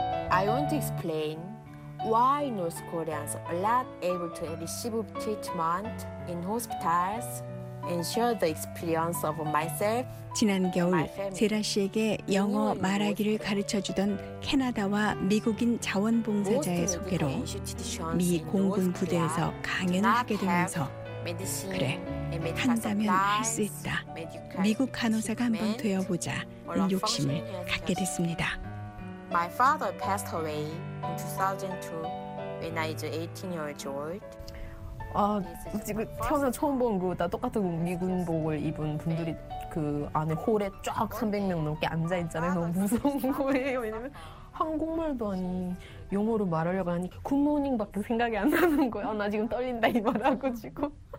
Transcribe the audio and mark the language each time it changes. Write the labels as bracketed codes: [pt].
[en] I want to explain why North Koreans are not able to receive treatment in hospitals and share the experience of myself. [ko] 지난 겨울 세라 씨에게 영어 말하기를 가르쳐 주던 캐나다와 미국인 자원봉사자의 소개로 미 공군 부대에서 강연을 하게 되면서 그래 한다면 할 수 있다. 미국 간호사가 한번 되어보자 이런 욕심을 갖게 됐습니다. [en] My father passed away in 2002 when I was 18 years old. [ko] 아, 지금 태어나 처음 본 것보다 똑같은 미군복을 입은 분들이 그 안에 홀에 쫙 300명 넘게 앉아있잖아요. 너무 무서운 거예요. 왜냐면 한국말도 아닌 영어로 말하려고 하니 굿모닝밖에 생각이 안 나는 거예요. 아, 나 지금 떨린다 이 말하고 지금.